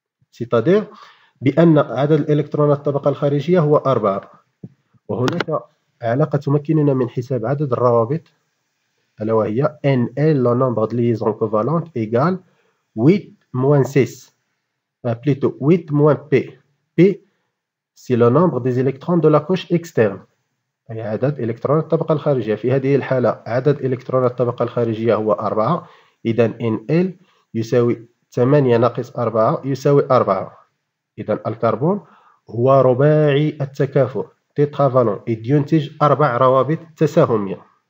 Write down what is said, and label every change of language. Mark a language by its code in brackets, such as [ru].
[fr] C'est-à-dire [ar] بأن عدد الإلكترونات الطبقة الخارجية هو 4. وهناك علاقة تمكننا من حساب عدد الروابط ألا وهي NL [fr] le nombre de liaisons covalentes égale 8-6 plutôt 8-P. P c'est le nombre des électrons de la couche externe. [ar] أي عدد إلكترونات الطبقة الخارجية. في هذه الحالة عدد إلكترونات الطبقة الخارجية هو 4، إذن NL يساوي 8 ناقص 4 يساوي 4. إذن الكربون هو رباعي التكافؤ تيترافالون، إذ ينتج 4 روابط تساهمية.